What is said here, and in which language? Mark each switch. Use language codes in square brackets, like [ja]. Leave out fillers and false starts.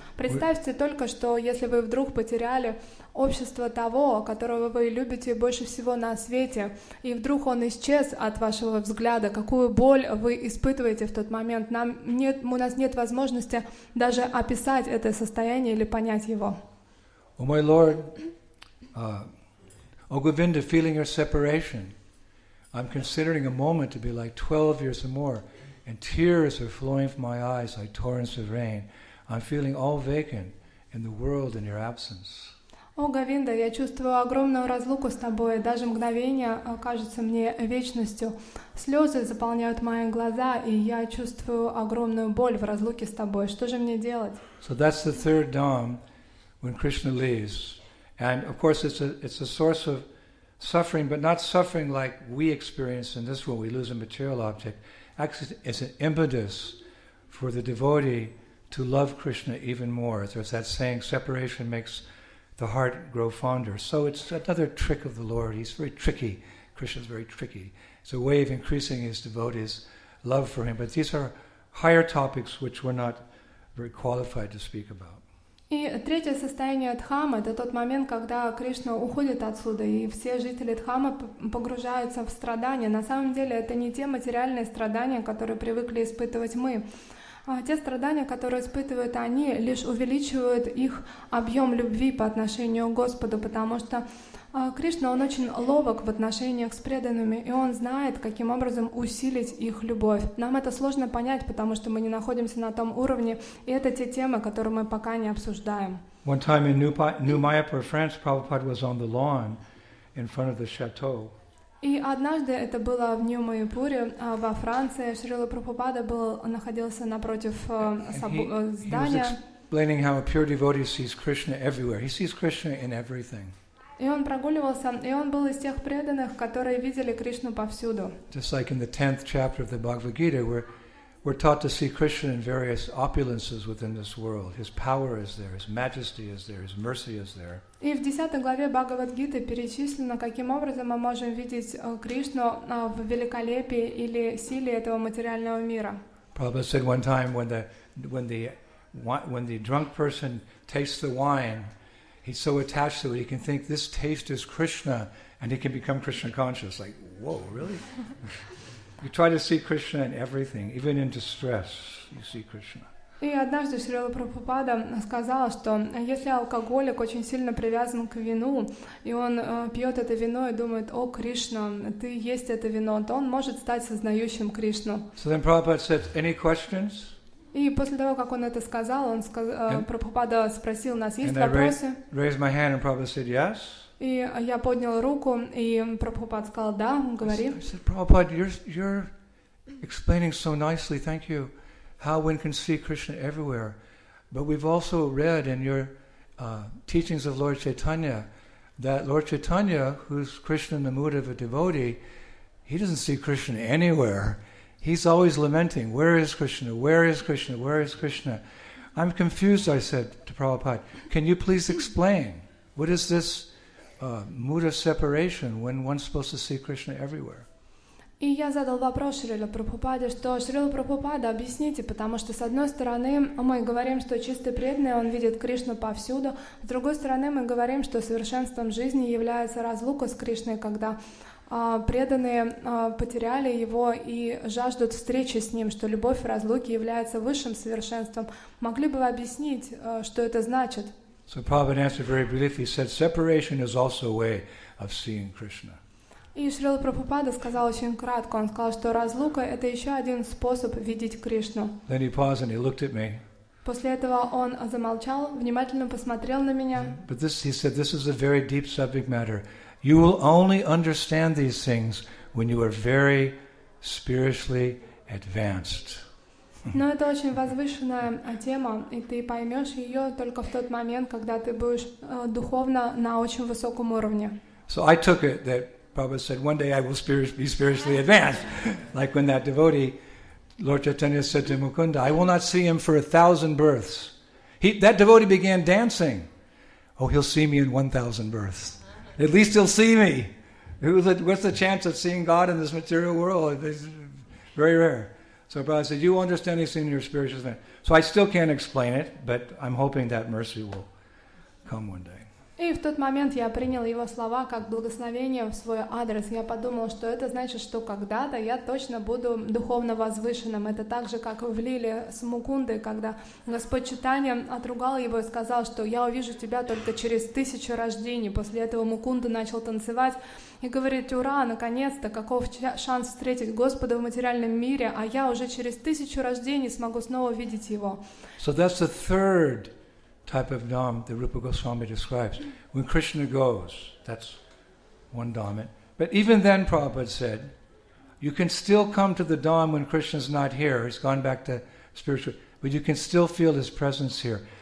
[ru] Представьте только, что если вы вдруг потеряли общество того, которого вы любите больше всего на свете, и вдруг он исчез от вашего взгляда, какую боль вы испытываете в тот момент, у нас нет возможности даже описать это состояние или понять его. [en] Oh, my Lord, O Govinda, feeling your separation, I'm considering a moment to be like 12 years or more, and tears are flowing from my eyes like torrents of rain. I'm feeling all vacant in the world in your absence. [ru] О, Говинда, я чувствую огромную разлуку с тобой, даже мгновение кажется мне вечностью. Слезы заполняют мои глаза, и я чувствую огромную боль в разлуке с тобой. Что же мне делать? [en] So that's the third dham when Krishna leaves. And of course it's a source of suffering, but not suffering like we experience in this world, we lose a material object. Actually, it's an impetus for the devotee to love Krishna even more. There's that saying, separation makes the heart grow fonder. So it's another trick of the Lord. He's very tricky. Krishna's very tricky. It's a way of increasing his devotees' love for him. But these are higher topics which we're not very qualified to speak about. [ru] И третье состояние дхамы — это тот момент, когда Кришна уходит отсюда, и все жители дхамы погружаются в страдания. На самом деле это не те материальные страдания, которые привыкли испытывать мы. А те страдания, которые испытывают они, лишь увеличивают их объем любви по отношению к Господу, потому что Кришна, он очень ловок в отношениях с преданными, и он знает, каким образом усилить их любовь. Нам это сложно понять, потому что мы не находимся на том уровне, и это те темы, которые мы пока не обсуждаем. [en] One time in New Mayapur, France, Prabhupada was on the lawn in front of the chateau. [ru] И однажды это было в Нью-Майпуре, во Франции. Шрила Прабхупада находился напротив здания. [en] He was explaining how a pure devotee sees Krishna everywhere. He sees Krishna in everything. [ru] И он прогуливался, и он был из тех преданных, которые видели Кришну повсюду. [en] Just like in the 10th chapter of the Bhagavad Gita, we're taught to see Krishna in various opulences within this world. His power is there, his majesty is there, his mercy is there. [ru] И в 10 главе Бхагавад Гиты перечислено, каким образом мы можем видеть Кришну в великолепии или силе этого материального мира. [en] Prabhupada said one time when the drunk person tastes the wine, he's so attached to it, he can think this taste is Krishna, and he can become Krishna conscious. Like, whoa, really? You try to see Krishna in everything, even in distress, you see Krishna. [ru] И однажды Шрила Прабхупада сказал, что если алкоголик очень сильно привязан к вину, и он пьет это вино и думает, о, Кришна, ты есть это вино, то он может стать сознающим Кришну. [en] So then Prabhupada said, any questions? [ru] И после того, как он это сказал, Прабхупада спросил нас, есть вопросы? [en] Raised my hand, and Prabhupada said, yes. [ru] И я поднял руку, и Прабхупада сказал, да, говори. [en] I said, Prabhupada, you're explaining so nicely, thank you. how one can see Krishna everywhere. But we've also read in your teachings of Lord Chaitanya that Lord Chaitanya, who's Krishna in the mood of a devotee, he doesn't see Krishna anywhere. He's always lamenting, where is Krishna? Where is Krishna? Where is Krishna? I'm confused, I said to Prabhupada. Can you please explain? What is this mood of separation when one's supposed to see Krishna everywhere? [ru] И я задал вопрос Шриле Прабхупаде, что Шрила Прабхупада, объясните, потому что с одной стороны мы говорим, что чистый преданный, он видит Кришну повсюду, с другой стороны мы говорим, что совершенством жизни является разлука с Кришной, когда преданные потеряли его и жаждут встречи с ним, что любовь и разлуки являются высшим совершенством. Могли бы вы объяснить, что это значит? [en] So Prabhupada answered very briefly, said separation is also a way of seeing Krishna. [ru] И Шрила Прабхупада сказал очень кратко, он сказал, что разлука — это еще один способ видеть Кришну. [en] Then he paused and he looked at me. [ru] После этого он замолчал, внимательно посмотрел на меня. [en] But this, he said, this is a very deep subject matter. You will only understand these things when you are very spiritually advanced. [ru] Но это очень возвышенная тема, и ты поймешь ее только в тот момент, когда ты будешь духовно на очень высоком уровне. [en] So I took it that Prabhupada said, one day I will be spiritually advanced. Like when that devotee, Lord Chaitanya said to Mukunda, I will not see him for 1,000 births. That devotee began dancing. Oh, he'll see me in 1,000 births. At least he'll see me. What's the chance of seeing God in this material world? It's very rare. So Prabhupada said, you will understand these things in your spiritual advance. So I still can't explain it, but I'm hoping that mercy will come one day. [ru] И в тот момент я принял его слова как благословение в свой адрес. Я подумал, что это значит, что когда-то я точно буду духовно возвышенным. Это так же, как в лиле с Мукундой, когда Господь Читания отругал его и сказал, что я увижу тебя только через 1000 рождений. После этого Мукунда начал танцевать и говорит, ура, наконец-то, каков шанс встретить Господа в материальном мире, а я уже через 1000 рождений смогу снова видеть его. [en] So that's the third type of dham that Rupa Goswami describes. When Krishna goes, that's one dham. But even then, Prabhupada said, you can still come to the dham when Krishna's not here, he's gone back to spiritual, but you can still feel his presence here.